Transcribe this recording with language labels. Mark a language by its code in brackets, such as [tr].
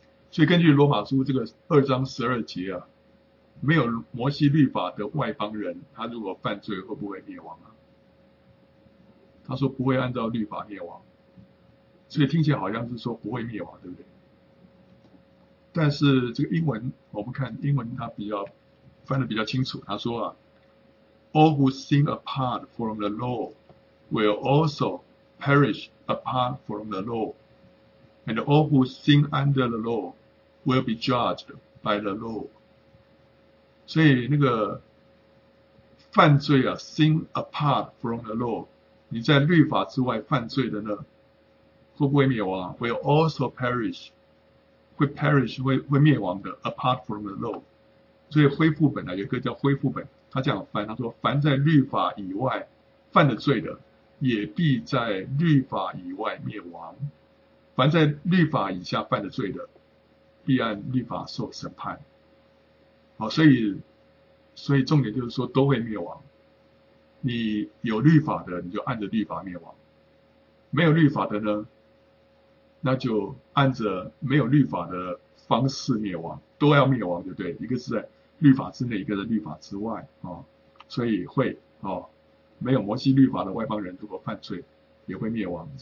[zh] 所以根据罗马书这个二章十二节啊，没有摩西律法的外邦人他如果犯罪会不会灭亡啊？他说不会按照律法灭亡，所以听起来好像是说不会灭亡，对不对？但是这个英文我们看英文它比较翻得比较清楚，他说啊 [en] All who sin apart from the law will also perish apart from the law, and all who sin under the law will be judged by the law. [zh] 所以那个犯罪啊 [en] sin apart from the law, [zh] 你在律法之外犯罪的呢会不会灭亡？ [en] Will also perish, [zh] 会 [en] perish, [zh] 会灭亡的 [en] apart from the law. [zh] 所以恢复本呢，有一个叫恢复本，他这样翻，他说凡在律法以外犯的罪的也必在律法以外灭亡，凡在律法以下犯的罪的必按律法受审判。好，所以重点就是说都会灭亡，你有律法的你就按着律法灭亡，没有律法的呢那就按着没有律法的方式灭亡，都要灭亡就对，一个是在律法之内，一个在律法之外、哦、所以会、哦、没有摩西律法的外邦人如果犯罪也会灭亡。